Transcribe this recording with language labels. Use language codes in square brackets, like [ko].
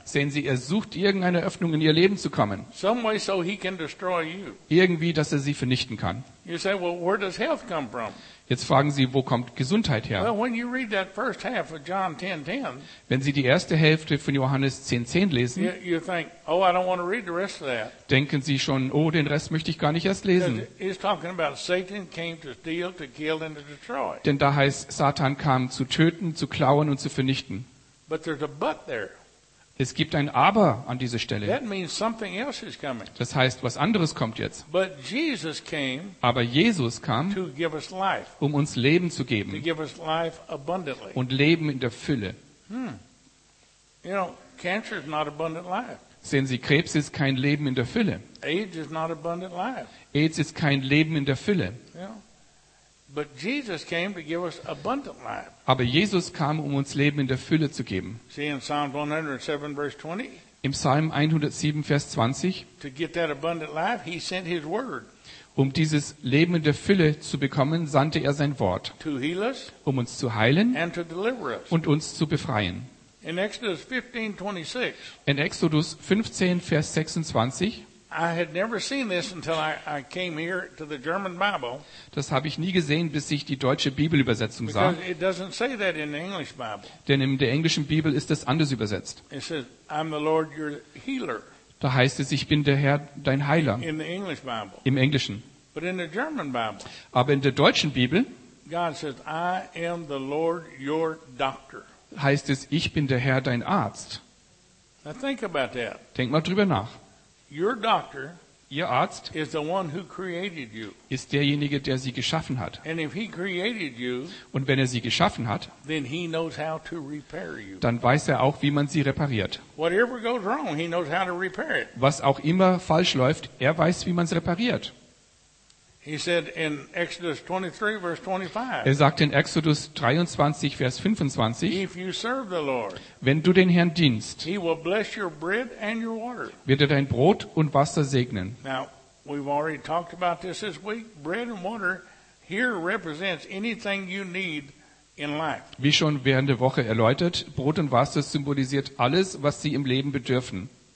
[de] Sehen Sie, er sucht irgendeine Öffnung in ihr Leben zu kommen. [en] Some way so he can destroy you. [de] Irgendwie, dass er sie vernichten kann. [en] You say, well, where does health come from? [de] Jetzt fragen Sie, wo kommt Gesundheit her? [en] Well, when you read that first half of John 10:10, [de] wenn Sie die erste Hälfte von Johannes 10:10 lesen, [en] you think, oh, I don't want to read the rest of that. [de] Denken Sie schon, oh, den Rest möchte ich gar nicht erst lesen. [en] It's talking about Satan came to steal, to kill and to destroy. [de] Denn da heißt, Satan kam zu töten, zu klauen und zu vernichten. [en] But there's a but there. [de] Es gibt ein Aber an dieser Stelle. [en] That means something else is coming. [de] Das heißt, was anderes kommt jetzt. [en] But Jesus came, [de] aber Jesus kam, [en] to give us life, [de] um uns Leben zu geben. [en] To give us life abundantly. [de] Und Leben in der Fülle. [en] You know, cancer is not abundant life. [de] Sehen Sie, Krebs ist kein Leben in der Fülle. [en] AIDS, is not abundant life. [de] AIDS ist kein Leben in der Fülle. [en] But Jesus came to give us abundant life. [de] Aber Jesus kam, um uns Leben in der Fülle zu geben. [en] See in Psalm 107, verse 20, [de] im Psalm 107, Vers 20, [en] to get that abundant life, he sent his word. [de] Um dieses Leben in der Fülle zu bekommen, sandte er sein Wort, [en] to heal us, [de] um uns zu heilen [en] and to deliver us, [de] und uns zu befreien. [en] In Exodus 15, 26, [de] in Exodus 15, Vers 26, [en] I had never seen this until I came here to the German Bible. [de] Das habe ich nie gesehen, bis ich die deutsche Bibelübersetzung sah. [en] Because it doesn't say that in the English Bible. [de] Denn in der englischen Bibel ist das anders übersetzt. [en] It says, I'm the Lord your healer. [de] Da heißt es, ich bin der Herr, dein Heiler. [en] In the English Bible. [de] Im Englischen. [en] But in the German Bible. [de] Aber in der deutschen Bibel, [en] God says, I am the Lord your doctor. [de] Heißt es, ich bin der Herr, dein Arzt. [en] Now think about that. [de] Denk mal drüber nach. [en] Your doctor, [de] Ihr Arzt [en] is the one who created you. [de] Ist derjenige, der sie geschaffen hat. [en] And if he created you, [de] und wenn er sie geschaffen hat, [en] then he knows how to repair you. [de] Dann weiß er auch, wie man sie repariert. [en] Whatever goes wrong, he knows how to repair it. [de] Was auch immer falsch läuft, er weiß, wie man es repariert. [en] He said in Exodus 23, verse 25, [de] er sagt in Exodus 23, Vers 25, [en] if you serve the Lord, [de] wenn du den Herrn dienst, [en] he will bless your bread and your water. [de] Wird er dein Brot und Wasser segnen. [en] Now, we've already talked about this week. Bread and water here represents anything you need in life. [de] Wie schon während der Woche erläutert, Brot und Wasser symbolisiert alles, was sie im Leben bedürfen.